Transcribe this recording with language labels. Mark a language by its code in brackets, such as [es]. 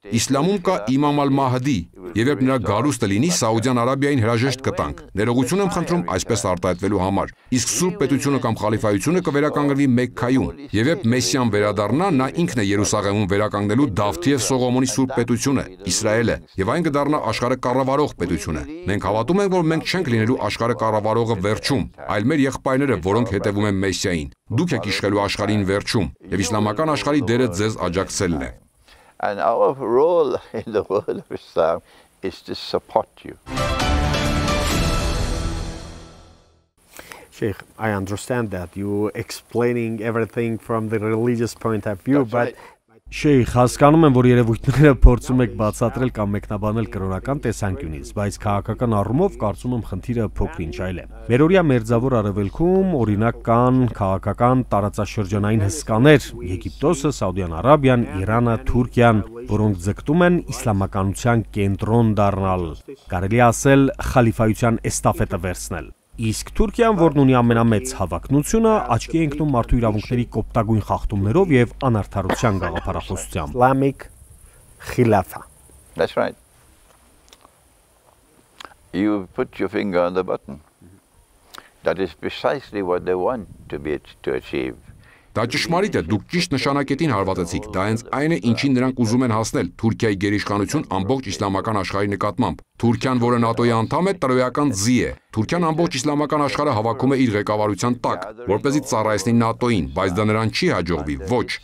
[hy] Իսլամում կա Իմամ ալ-Մահդի, եւ երբ նրա գալուստը լինի, Սաուդյան Արաբիային հրաժեշտ կտանք։ Ներողություն եմ խնդրում այսպես արտահայտվելու համար։ Իսկ Սուրբ պետությունը կամ խալիֆայությունը կվերականգնվի Մեքքայում, եւ երբ Մեսիան վերադառնա, նա ինքն է Երուսաղեմում վերականգնելու Դավթի եւ Սողոմոնի Սուրբ պետությունը, Իսրայելը, եւ այն կդառնա աշխարհը կառավարող պետությունը։ Մենք հավատում ենք, որ մենք չենք լինելու աշխարհը կառավարողը վերջում, այլ մեր եղբայրները, որոնք հետևում են Մեսիային։ Դուք եք իշխելու աշխարհին վերջում, եւ իսլամական աշխարհի դերը ձեզ աջակցելն է։ [en] And our role in the world of Islam is to support you. Sheikh, I understand that you explaining everything from the religious point of view, but [hy] Շեյխ, հասկանում եմ, որ երևույթները փորձում եք բացատրել կամ մեկնաբանել կրոնական տեսանկյունից, բայց քաղաքական առումով կարծում եմ խնդիրը փոքրինչ այլ է։ Մերօրյա մերձավոր արևելքում օրինակ կան քաղաքական տարածաշրջանային հսկաներ՝ Եգիպտոսը, Սաուդյան Արաբիան, Իրանը, Թուրքիան, որոնք ձգտում են իսլամականության կենտրոն դառնալ, կարելի ասել, խալիֆայության էստաֆետը վերցնել։ Իսկ Թուրքիան, որն ունի ամենամեծ հավակնությունը, աչքի է ընկնում մարդու իրավունքների կոպտագույն խախտումներով եւ անարդարության գաղափարախոսությամբ։ [en] Islamic Khilafa. That's right. You put your finger on the button. That is precisely what they want to be to achieve. [hy] Դա ճշմարիտ է, դուք ճիշտ նշանակետին հարվածեցիք, դա հենց այն է, ինչին նրանք ուզում են հասնել՝ Թուրքիայի գերիշխանություն ամբողջ իսլամական աշխարհի նկատմամբ։ Թուրքիան, որը ՆԱՏՕ-ի անդամ է, տրոյական ձի է։ Թուրքիան ամբողջ իսլամական աշխարհը հավաքում է իր ղեկավարության տակ, որպեսզի ծառայեցնի ՆԱՏՕ-ին, բայց դա նրան չի հաջողվի, ոչ։